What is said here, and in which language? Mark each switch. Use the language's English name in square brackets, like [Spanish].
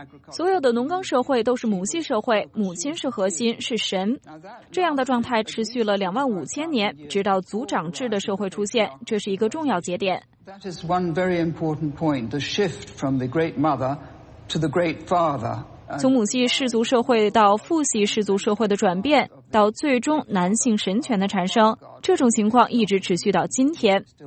[Chinese] 所有的农耕社会都是母系社会，母亲是核心，是神。这样的状态持续了25000年，直到族长制的社会出现，这是一个重要节点。 [English] That is one very important point, the shift from the great mother to the great father. [Chinese] 从母系氏族社会到父系氏族社会的转变，到最终男性神权的产生，这种情况一直持续到今天。